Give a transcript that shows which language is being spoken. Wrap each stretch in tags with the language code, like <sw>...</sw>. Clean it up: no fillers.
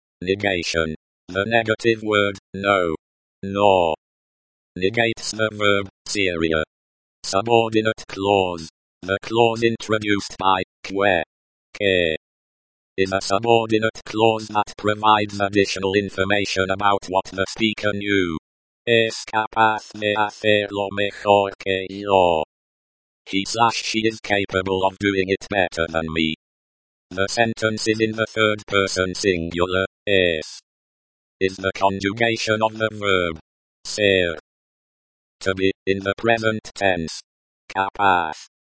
<en>Negation. The negative word, no. Nor. Negates the verb, seria. Subordinate clause. The clause introduced by, que. Que. Is a subordinate clause that provides additional information about what the speaker knew.</en> <es>Es capaz de hacerlo mejor que yo.</es> <en>He/she is capable of doing it better than me. The sentence is in the third person singular, es. Is the conjugation of the verb ser. To be, in the present tense. Capaz.</en>